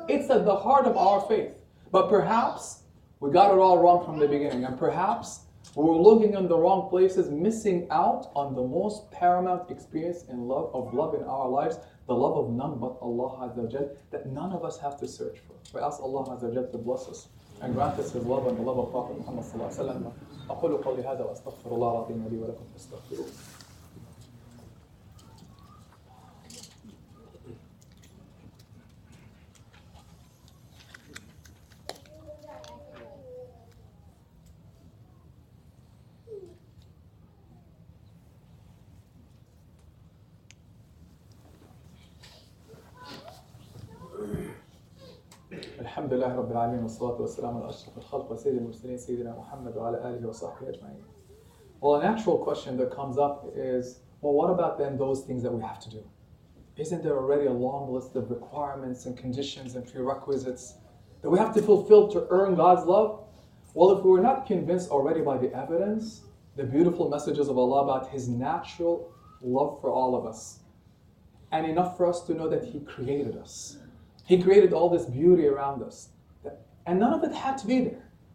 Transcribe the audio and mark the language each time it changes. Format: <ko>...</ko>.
<en>It's at the heart of our faith. But perhaps we got it all wrong from the beginning. And perhaps we're looking in the wrong places, missing out on the most paramount experience in love of love in our lives, the love of none but Allah Azza wa Jal, that none of us have to search for. We ask Allah Azza wa Jal to bless us and grant us His love and the love of Prophet Muhammad Sallallahu Alaihi Wasallam.</en> <ar>أقول قولي هذا وأستغفر الله العظيم لي ولكم فاستغفروه. الحمد لله رب العالمين والصلاة والسلام على أشرف الخلق وسيد المرسلين سيدنا محمد وعلى آله وصحبه أجمعين.</ar> <en>Well, a natural question that comes up is, well, what about then those things that we have to do? Isn't there already a long list of requirements and conditions and prerequisites that we have to fulfill to earn God's love? Well, if we were not convinced already by the evidence, the beautiful messages of Allah about His natural love for all of us, and enough for us to know that He created us, He created all this beauty around us, and none of it had to be there.</en>